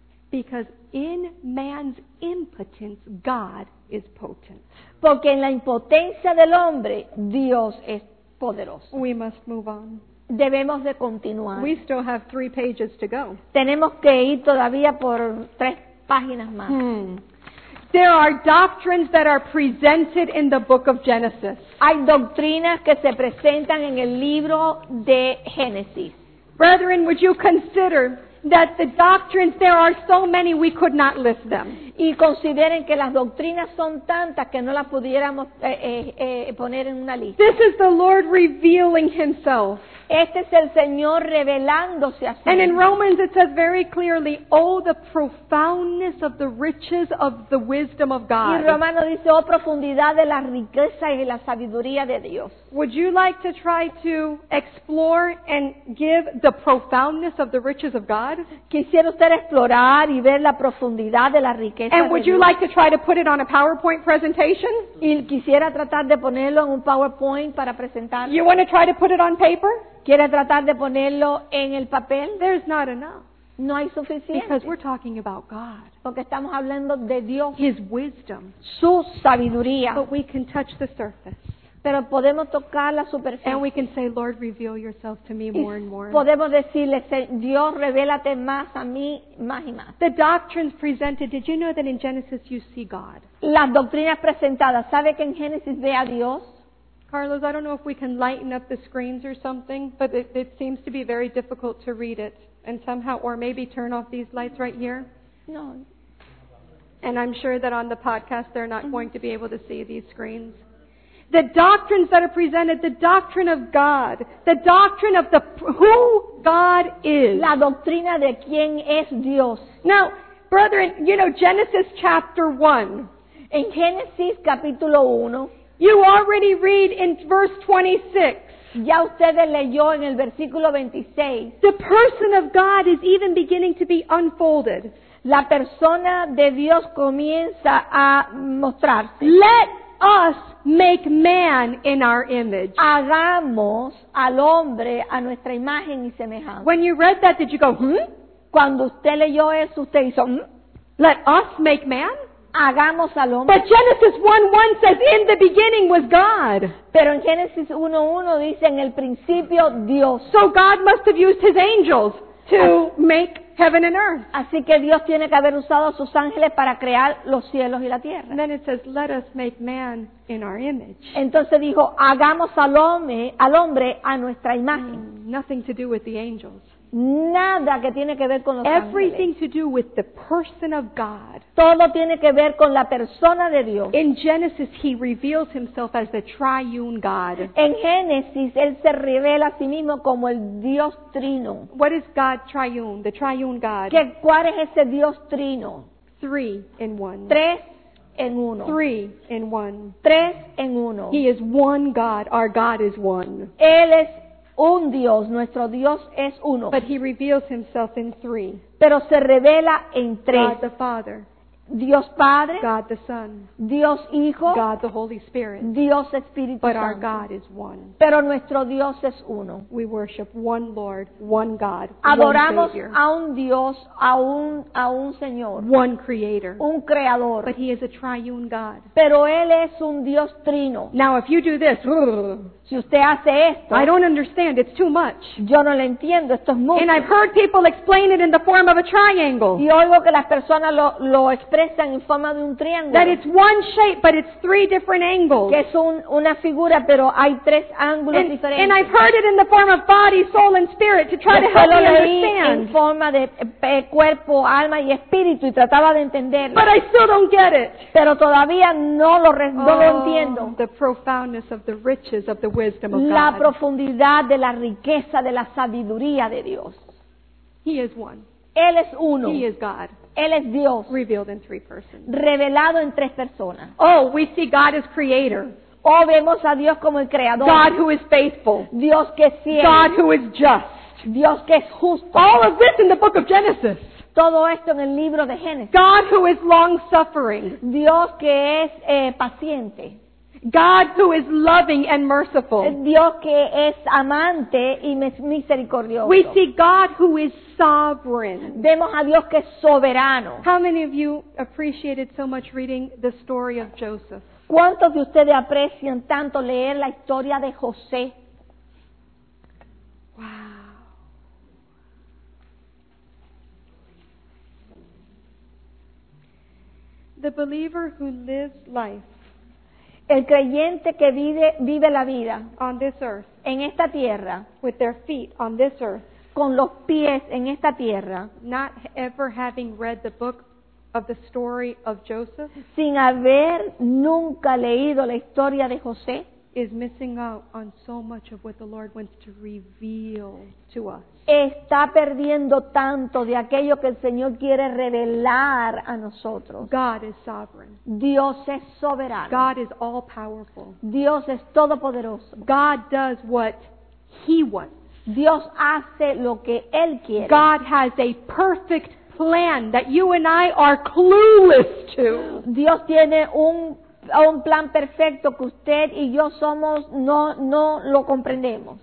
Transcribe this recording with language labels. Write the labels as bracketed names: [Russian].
[English] Because in man's impotence, God is potent. [Spanish] Porque en la impotencia del hombre, Dios es poderoso. [English] We must move on. [Spanish] Debemos de continuar. [English] We still have 3 pages to go. [Spanish] Tenemos que ir todavía por 3 páginas más. [English] There are doctrines that are presented in the book of Genesis. [Spanish] Hay doctrinas que se presentan en el libro de Génesis. [English] Brethren, would you consider? that the doctrines, there are so many we could not list them. [Spanish] Y consideren que las doctrinas son tantas que no las pudiéramos poner en una lista. [English] This is the Lord revealing himself. [Spanish] Este es el Señor revelándose a sí mismo. [English] And in Romans it says very clearly, oh, the profoundness of the riches of the wisdom of God. [Spanish] Y Romanos dice, oh, profundidad de la riqueza y la sabiduría de Dios. [English] Would you like to try to explore and give the profoundness of the riches of God? [Spanish] ¿Quisiera usted explorar y ver la profundidad de la riqueza de [English] Dios? And would you like to try to put it on a PowerPoint presentation? [Spanish] ¿Y quisiera tratar de ponerlo en un PowerPoint para presentar? [English] You want to try to put it on paper? [Spanish] ¿Quiere tratar de ponerlo en el papel? [English] There's not enough. [Spanish] No hay suficiente. [English] Because we're talking about God. [Spanish] Porque estamos hablando de Dios. [English] His wisdom. [Spanish] Su sabiduría. [English] But we can touch the surface. [Spanish] Pero podemos tocar la superficie. [English] And we can say, Lord, reveal yourself to me more and more. [Spanish] Podemos decirle, Dios, revélate más a mí, más y más. [English] The doctrines presented, did you know that in Genesis you see God? [Spanish] Las doctrinas presentadas, ¿sabe que en Génesis ve a Dios? [English] Carlos, I don't know if we can lighten up the screens or something, but it seems to be very difficult to read it. And somehow, or maybe turn off these lights right here. No. And I'm sure that on the podcast they're not going to be able to see these screens. The doctrines that are presented, the doctrine of God, the doctrine of who God is. [Spanish] La doctrina de quién es Dios. [English] Now, brethren, you know, Genesis chapter 1. [Spanish] En Génesis capítulo 1. [English] You already read in verse 26. [Spanish] Ya ustedes leyó en el versículo 26. [English] The person of God is even beginning to be unfolded. [Spanish] La persona de Dios comienza a mostrarse. [English] Let us make man in our image. [Spanish] Hagamos al hombre a nuestra imagen y semejanza. [English] When you read that, did you go, hmm? [Spanish] Cuando usted leyó eso, usted hizo, hmm? [English] Let us make man? [Spanish] Hagamos al hombre. [English] But Genesis 1:1 says, in the beginning was God. [Spanish] Pero en Génesis 1:1 dice, en el principio Dios. [English] So God must have used his angels to make heaven and earth. [Spanish] Así que Dios tiene que haber usado a sus ángeles para crear los cielos y la tierra. [English] And then it says, let us make man in our image. [Spanish] Entonces dijo, hagamos al hombre a nuestra imagen. [English] Nothing to do with the angels. [Spanish] Nada que tiene que ver con los [English] Everything [Spanish] ángeles. [English] To do with the person of God. [Spanish] Todo tiene que ver con la persona de Dios. [English] In Genesis, he reveals himself as the triune God. [Spanish] En Génesis, él se revela a sí mismo como el Dios trino. [English] What is God triune, the triune God? [Spanish] ¿Qué, cuál es ese Dios trino? [English] Three in one. [Spanish] Tres en uno. [English] Three in one. [Spanish] Tres en uno. [English] He is one God. Our God is one. [Spanish] Él es un Dios, nuestro Dios es uno. [English] But he reveals himself in three. [Spanish] Pero se revela en tres. [English] God the Father. [Spanish] Dios Padre. [English] God the Son. [Spanish] Dios Hijo. [English] God the Holy Spirit. [Spanish] Dios Espíritu [English] But [Spanish] Santo. [English] Our God is one. [Spanish] Pero nuestro Dios es uno. [English] We worship one Lord, one God, [Spanish] Adoramos [English] one Savior. [Spanish] A un Dios, a un Señor. [English] One Creator. [Spanish] Un Creador. [English] But he is a triune God. [Spanish] Pero él es un Dios trino. [English] Now if you do this, [Spanish] si usted hace esto, [English] I don't understand, it's too much. [Spanish] Yo no lo entiendo, esto es mucho. [English] And I've heard people explain it in the form of a triangle. [Spanish] Y oigo que las personas lo expresan en forma de un triángulo. [English] That it's one shape, but it's three different angles. [Spanish] Que es una figura, pero hay tres ángulos [English] and, [Spanish] diferentes. [English] And I've heard it in the form of body, soul, and spirit to try [Spanish] Después [English] to help me understand. [Spanish] En forma de cuerpo, alma y espíritu y trataba de entenderlo. [English] But I still don't get it. [Spanish] Pero todavía no lo entiendo. [English] The profoundness of the riches of the wisdom of God. [Spanish] La profundidad de la riqueza de la sabiduría de Dios. [English] He is one. [Spanish] Él es uno. [English] He is God. [Spanish] Él es Dios. [English] Revealed in three persons. [Spanish] Revelado en tres personas. [English] Oh, we see God as creator. [Spanish] Oh, vemos a Dios como el creador. [English] God who is faithful. [Spanish] Dios que es fiel. [English] God who is just. [Spanish] Dios que es justo. [English] All of this in the book of Genesis. [Spanish] Todo esto en el libro de Génesis. [English] God who is long suffering. [Spanish] Dios que es paciente. [English] God who is loving and merciful. [Spanish] Dios que es amante y misericordioso. [English] We see God who is sovereign. [Spanish] Vemos a Dios que es soberano. [English] How many of you appreciated so much reading the story of Joseph? [Spanish] ¿Cuántos de ustedes aprecian tanto leer la historia de José? [English] Wow. The believer who lives life. [Spanish] El creyente que vive la vida [English] on this earth, [Spanish] en esta tierra [English] with their feet on this earth, [Spanish] con los pies en esta tierra, [English] not ever having read the book of the story of Joseph, [Spanish] sin haber nunca leído la historia de José, [English] is missing out on so much of what the Lord wants to reveal to us. [Spanish] Está perdiendo tanto de aquello que el Señor quiere revelar a nosotros. [English] God is sovereign. [Spanish] Dios es soberano. [English] God is all powerful. [Spanish] Dios es todopoderoso. [English] God does what He wants. [Spanish] Dios hace lo que Él quiere. [English] God has a perfect plan that you and I are clueless to. [Spanish] Dios tiene un plan perfecto que usted y yo somos no lo comprendemos.